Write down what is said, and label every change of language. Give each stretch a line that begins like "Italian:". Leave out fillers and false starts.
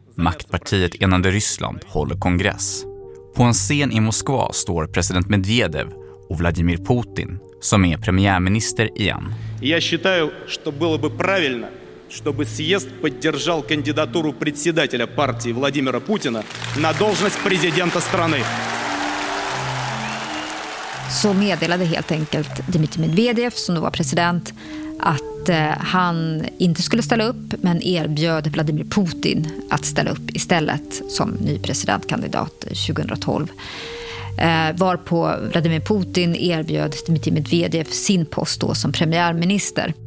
Swedish: Maktpartiet Enande Ryssland håller kongress. På en scen i Moskva står president Medvedev och Vladimir Putin som är premiärminister igen.
Russian: Jag считаю, что было бы правильно, чтобы съезд поддержал кандидатуру председателя партии Владимира Путина на должность президента страны.
Swedish: Så meddelade helt enkelt Dmitrij Medvedev, som då var president, att han inte skulle ställa upp, men erbjöd Vladimir Putin att ställa upp istället som ny presidentkandidat 2012. Varpå Vladimir Putin erbjöd Dmitrij Medvedev sin post då som premiärminister.